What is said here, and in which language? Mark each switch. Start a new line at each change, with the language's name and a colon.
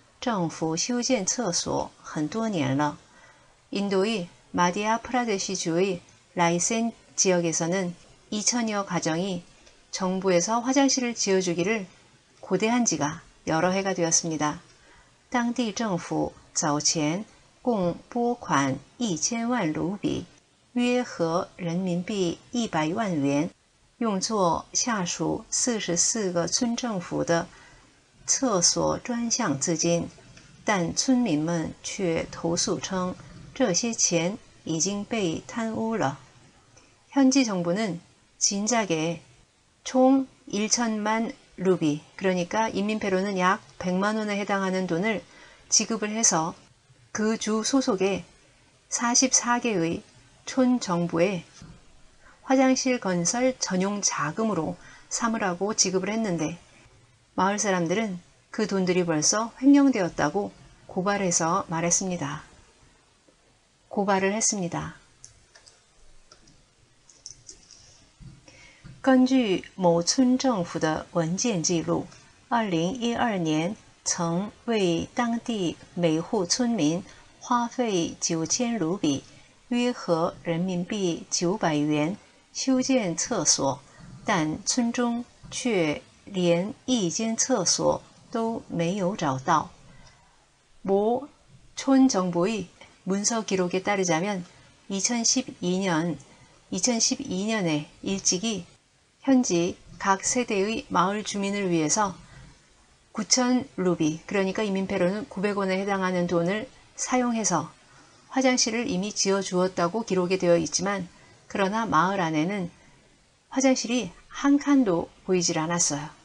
Chinese: 在印度中央邦的赖森地区，2000多个家庭盼望政府修建厕所很多年了。
Korean: 인도의 마디아 프라데시 주의 라이센 지역에서는 2000여 가정이 정부에서 화장실을 지어주기를 고대한 지가 여러 해가 되었습니다. 당
Chinese: 地
Korean: 정부
Chinese: 早前共拨款 1000万卢比, 约合人民币100万元, 用作下属44个村政府的厕所专项资金,但村民们却投诉称这些钱已经被贪污了.
Korean: 현지 정부는 진작에 총 1천만 루비, 그러니까 인민폐로는 약 100만 원에 해당하는 돈을 지급을 해서 그 주 소속의 44개의 촌 정부에 화장실 건설 전용 자금으로 삼으라고 지급을 했는데 마을 사람들은 그 돈들이 벌써 횡령되었다고 고발해서 말했습니다. 고발을 했습니다.
Chinese: 根据某村政府的文件记录, 2012年 曾为当地每户村民花费9000卢比,约合人民币900元,修建厕所,但村中却连一间厕所都没有找到.
Korean: 모 촌 정부의 문서 기록에 따르자면 2012년에 일찍이 현지 각 세대의 마을 주민을 위해서 9000루비, 그러니까 인민폐로는 900원에 해당하는 돈을 사용해서 화장실을 이미 지어주었다고 기록이 되어 있지만, 그러나 마을 안에는 화장실이 한 칸도 보이질 않았어요.